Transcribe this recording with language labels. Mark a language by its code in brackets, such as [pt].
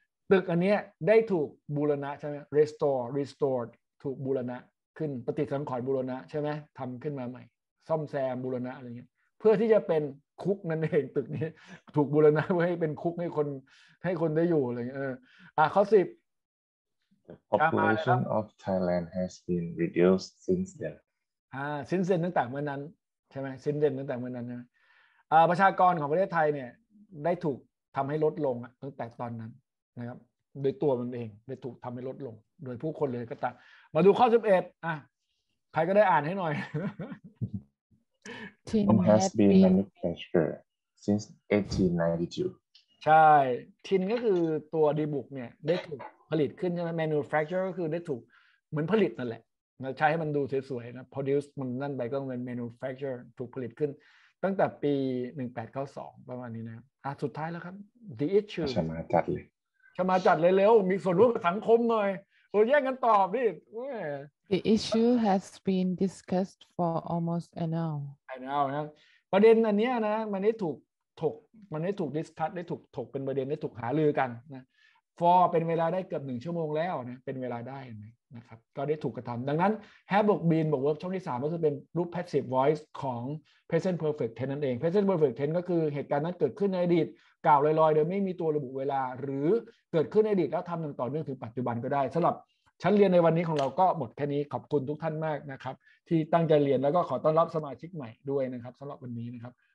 [th] ตึกอันเนี้ยได้ถูกบูรณะใช่ไหม restored ถูกบูรณะขึ้นปฏิสังขรณ์บูรณะใช่ไหมทำขึ้นมาใหม่ซ่อมแซมบูรณะอะไรเงี้ยเพื่อที่จะเป็นคุกนั่นเองตึกนี้ถูกบูรณะเพื่อให้เป็นคุกให้คนได้อยู่อะไรเงี้ยข้อ10 [en] The population of Thailand has been reduced since then [th] since then ตั้งแต่เมื่อนั้นใช่ไหม since then ตั้งแต่เมื่อนั้นใช่ไหมประชากรของประเทศไทยเนี่ยได้ถูกทำให้ลดลงตั้งแต่ตอนนั้นนะครับโดยตัวมันเองได้ถูกทำให้ลดลงโดยผู้คนเลยก็ตามมาดูข้อ11ใครก็ได้อ่านให้หน่อย [en] Tin has been manufactured since 1892. [th] ใช่ tin ก็คือตัวดีบุกเนี่ยได้ถูกผลิตขึ้นใช่ไหม manufacture ก็คือได้ถูกเหมือนผลิตนั่นแหละใช้ให้มันดูสวยๆนะ produce มันนั่นไปก็เป็น manufacture ถูกผลิตขึ้นตั้งแต่ปี1892ประมาณนี้นะสุดท้ายแล้วครับ the issue ชมาจัดเลย ชมาจัดเลยเร็วมีส่วนร่วมกับสังคมหน่อยเราแย่งกันตอบดิ [en] The issue has been discussed for almost an hour. I know [th] นะประเด็นอันนี้นะมันได้ถูกถกมันได้ถูกดิสคัสได้ถูกถกเป็นประเด็นได้ถูกหารือกันนะ for เป็นเวลาได้เกือบ1ชั่วโมงแล้วนะเป็นเวลาได้ นะครับก็ได้ถูกกระทำดังนั้น have บวก been บวก verb ช่องที่3ก็จะเป็นรูป passive voice ของ present perfect tense นั่นเอง present perfect tense ก็คือเหตุการณ์นั้นเกิดขึ้นในอดีตกล่าวลอยๆโดยไม่มีตัวระบุเวลาหรือเกิดขึ้นในอดีตแล้วทำต่อเนื่องถึงปัจจุบันก็ได้สำหรับชั้นเรียนในวันนี้ของเราก็หมดแค่นี้ขอบคุณทุกท่านมากนะครับที่ตั้งใจเรียนแล้วก็ขอต้อนรับสมาชิกใหม่ด้วยนะครับสำหรับวันนี้นะครับ